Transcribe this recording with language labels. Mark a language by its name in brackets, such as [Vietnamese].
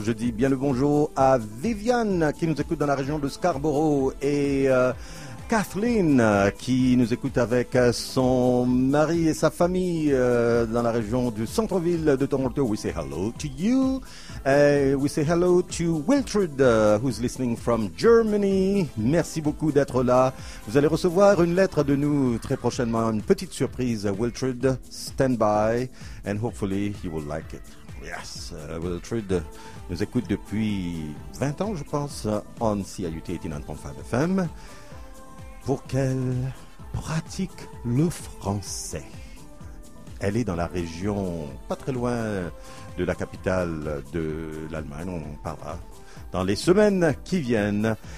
[French] Je dis bien le bonjour à Viviane qui nous écoute dans la région de Scarborough et Kathleen qui nous écoute avec son mari et sa famille dans la région du centre-ville de Toronto. [English] We say hello to you. We say hello to Wiltrud, who's listening from Germany. [French] Merci beaucoup d'être là. Vous allez recevoir une lettre de nous très prochainement. Une petite surprise, Wiltrud. [English] Stand by, and hopefully you will like it. Yes, [French] Wiltrud nous écoute depuis 20 ans, je pense, [English] on [French] CIUT 89.5 FM. Pour qu'elle pratique le français. Elle est dans la région, pas très loin de la capitale de l'Allemagne, on en parlera dans les semaines qui viennent.